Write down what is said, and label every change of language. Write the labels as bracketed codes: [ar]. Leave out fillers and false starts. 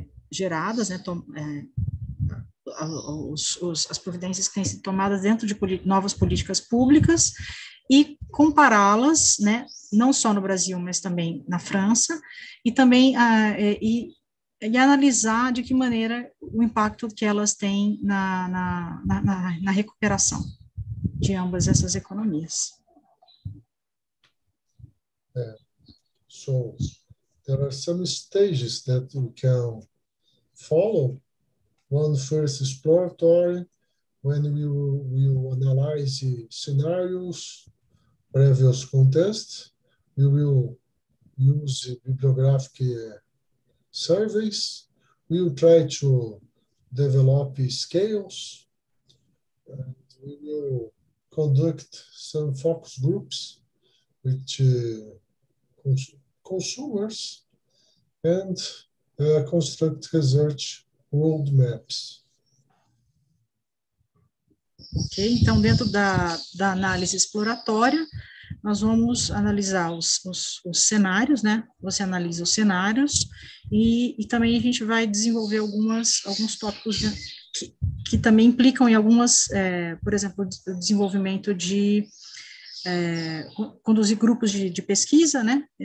[pt] geradas, né, as providências que têm sido tomadas dentro de novas políticas públicas, e compará-las, né, não só no Brasil, mas também na França, e também e analisar de que maneira o impacto que elas têm na recuperação de ambas essas economias. [en] So, there are some stages that you can follow. One first exploratory, when we will analyze scenarios, previous contests, we will use bibliographic surveys, we will try to develop scales, and we will conduct some focus groups with consumers and construct research world maps. [pt] Ok, então dentro da análise exploratória, nós vamos analisar os cenários, né? Você analisa os cenários e também a gente vai desenvolver alguns tópicos que também implicam em algumas, por exemplo, o desenvolvimento de conduzir grupos de pesquisa, né?